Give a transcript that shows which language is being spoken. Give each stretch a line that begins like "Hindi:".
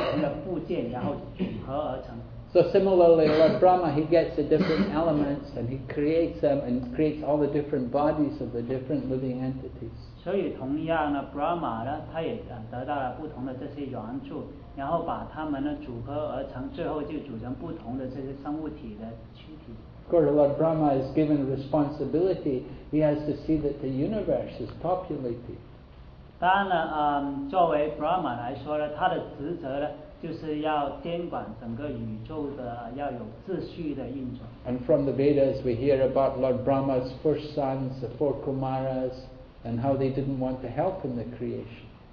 Chinese: 一个人可以说啊，这电脑是我做的，但其实意思就是说，他买了不同的部件，然后组合而成。
English: So similarly, Lord Brahma, he gets the different elements and he creates them and creates all the different bodies of the different living entities.
Chinese: 所以同样呢， Brahma 呢，他也得到了不同的这些元素，然后把它们呢组合而成，最后就组成不同的这些生物体的躯体。
English: Of course, Lord Brahma is given responsibility. He has to see that the universe is populated.
Chinese: 当然呢，作为 Brahma 来说呢，他的职责呢。就是要监管整个宇宙的，要有秩序的运作。
English: And from the Vedas we hear about Lord Brahma's first sons, the four Kumaras, and how they didn't want to help in the creation.